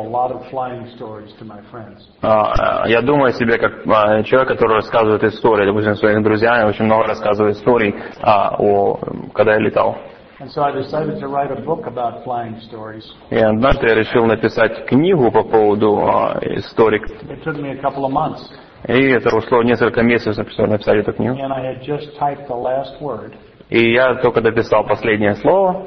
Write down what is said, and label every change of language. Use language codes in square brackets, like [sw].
[ru] Я думаю о себе как человек, который рассказывает истории, допустим, своим друзьям, я очень много рассказываю историй, когда я летал. [en] And so I decided to write a book about flying stories. [ru] И однажды я решил написать книгу по поводу историй. [en] It took me a couple of months. [ru] И это ушло несколько месяцев, чтобы написать эту книгу. [en] And I had just typed the last word. [ru] И я только дописал последнее слово.